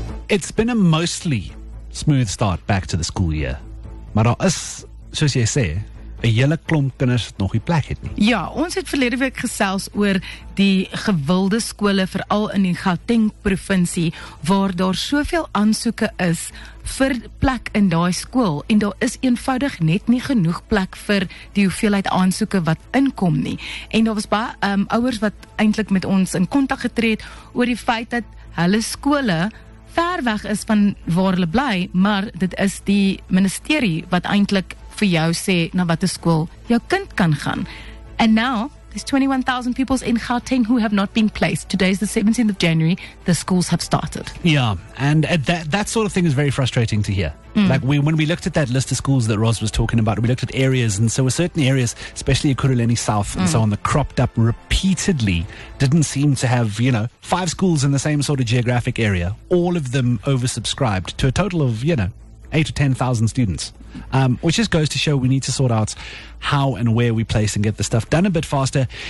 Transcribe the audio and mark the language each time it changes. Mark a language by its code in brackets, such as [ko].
[en] It's been a mostly smooth start back to the school year. [af] Maar daar is, soos jy sê, 'n hele klomp kinders wat nog nie plek het nie. Ja, ons het verlede week gesels oor die gewilde skole, veral in die Gauteng provinsie, waar daar soveel aansoeke is vir plek in daai skool, en daar is eenvoudig net nie genoeg plek vir die hoeveelheid aansoeke wat inkom nie. En daar was baie ouers wat eintlik met ons in kontak getree het oor die feit dat hulle skole ver weg is van waar hulle bly, maar dit is die ministerie wat eintlik vir jou sê na watter skool jou kind kan gaan. [en] And now, there's 21,000 pupils in Gauteng who have not been placed. Today is the 17th of January. The schools have started. Yeah, and that sort of thing is very frustrating to hear. Mm. Like, when we looked at that list of schools that Roz was talking about, we looked at areas, and so were certain areas, especially Ekurhuleni South and so on, that cropped up repeatedly, didn't seem to have, you know, five schools in the same sort of geographic area, all of them oversubscribed to a total of, you know, 8,000 to 10,000 students, which just goes to show we need to sort out how and where we place and get the stuff done a bit faster.